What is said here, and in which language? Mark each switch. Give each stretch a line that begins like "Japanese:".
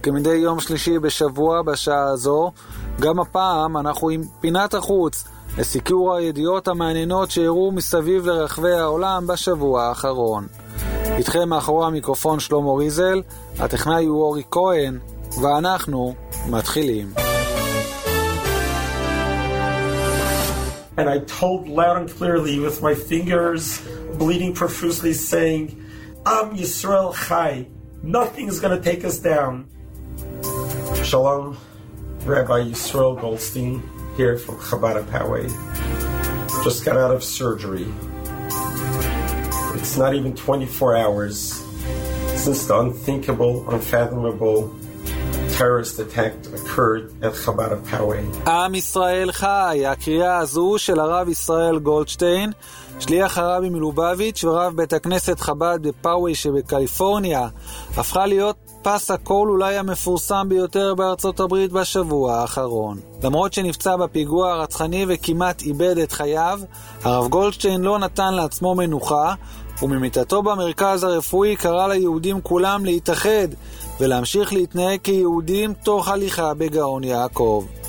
Hebrew: כמדי יום שלישי בשבוע בשעה הזו, גם הפעם אנחנו עם פינת החוץ לסיקור הידיעות המעניינות שאירעו מסביב לרחבי העולם בשבוע האחרון. איתכם מאחורי המיקרופון שלמה ריזל, הטכנאי הוא אורי כהן, ואנחנו מתחילים.
English: And I told loud and clearly with my fingers bleeding profusely saying
Hebrew: Am Yisrael Chai.
English: Nothing is going to take us down. Shalom, Rabbi Yisrael Goldstein here from Chabad and Poway. Just got out of surgery. It's not even 24 hours since the unthinkable, unfathomable terrorist attack occurred at Chabad and Poway.
Hebrew: Am Yisrael Chai, הקריאה הזו של הרב ישראל גולדשטיין, שליח הרבי מלובביץ' ורב בית הכנסת חבד בפאווי שבקליפורניה, הפכה להיות פס הקול אולי המפורסם ביותר בארצות הברית בשבוע האחרון. למרות שנפצע בפיגוע הרצחני וכמעט איבד את חייו, הרב גולדשטיין לא נתן לעצמו מנוחה, וממיטתו במרכז הרפואי קרא ליהודים כולם להתאחד ולהמשיך להתנהג כיהודים תוך הליכה בגאון יעקב.